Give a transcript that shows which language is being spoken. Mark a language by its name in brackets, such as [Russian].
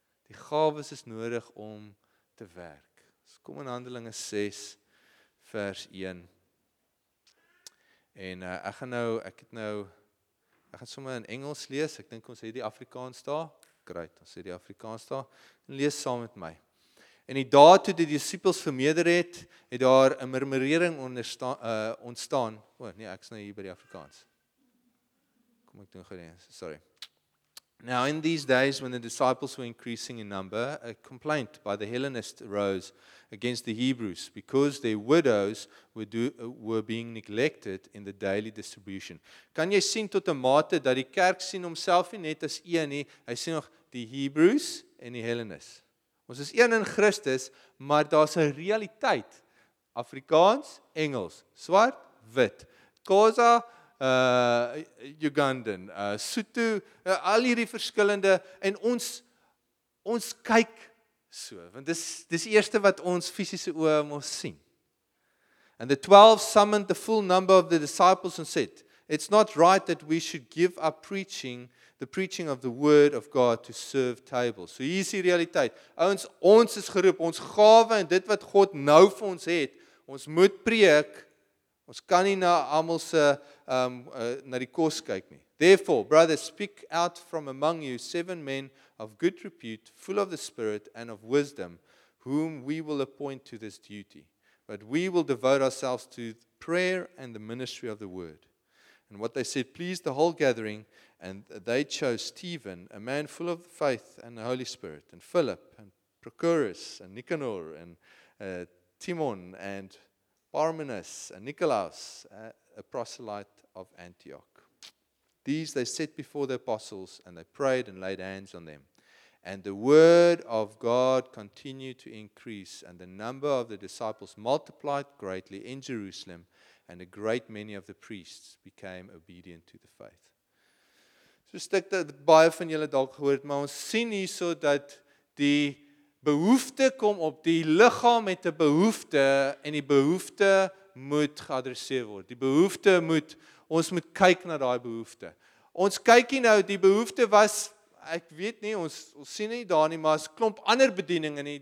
[Afrikaans] Die gawes is nodig om te werk. So kom in Handelinge 6, vers 1. En ek gaan sommer in Engels lees. Ek dink ons het die Afrikaans daar. Great, ons het die Afrikaans daar. En lees saam met my. En die dae toe die disippels vermeerder het, het daar 'n murmurering ontstaan. Ek is nou hier by die Afrikaans. Kom ek doen gereed. Sorry. [English] Now in these days when the disciples were increasing in number, a complaint by the Hellenists arose against the Hebrews because their widows were being neglected in the daily distribution. [Afrikaans] Kan jy sien tot 'n mate dat die kerk sien homself nie net as een nie, hy sien nog die Hebrews en die Hellenists. Ons is een in Christus, maar daar's 'n realiteit. Afrikaans, Engels, swart, wit. Kosa Ugandan, Sotho, al hierdie verskillende, en ons kyk so, want dis die eerste wat ons fisiese oë moet sien. [English] And the 12 summoned the full number of the disciples and said, it's not right that we should give up preaching, the preaching of the word of God to serve tables. [Afrikaans] So hier is die realiteit, ons is geroep, ons gawe en dit wat God nou vir ons het, ons moet preek, ons kan nie na almal se na die kos kyk nie. [English] Therefore, brothers, speak out from among you 7 men of good repute, full of the spirit and of wisdom, whom we will appoint to this duty. But we will devote ourselves to prayer and the ministry of the word. And what they said pleased the whole gathering, and they chose Stephen, a man full of faith and the Holy Spirit, and Philip, and Prochorus, and Nicanor, and Timon, and Parmenas and Nicolaus, a proselyte of Antioch. These they set before the apostles, and they prayed and laid hands on them. And the word of God continued to increase, and the number of the disciples multiplied greatly in Jerusalem, and a great many of the priests became obedient to the faith. So [Afrikaans] so stuk dat baie van julle dalk gehoor het, maar ons sien hierso dat die behoefte kom op die liggaam met 'n behoefte en die behoefte moet geadresseer word. Die behoefte moet, ons moet kyk na die behoefte. Ons kyk hier nou, die behoefte was, ek weet nie, ons sien nie daar nie, maar as klomp ander bediening in nie.